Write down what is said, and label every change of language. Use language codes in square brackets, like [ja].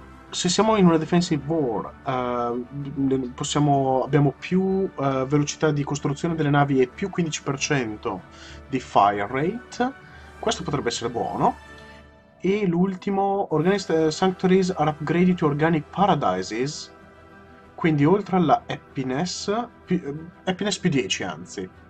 [it] Se siamo in una [en] defensive war, [it] abbiamo più velocità di costruzione delle navi e più 15% di fire rate. Questo potrebbe essere buono. E l'ultimo, [en] Organized Sanctuaries are upgraded to Organic Paradises. [it] Quindi oltre alla happiness più 10, anzi.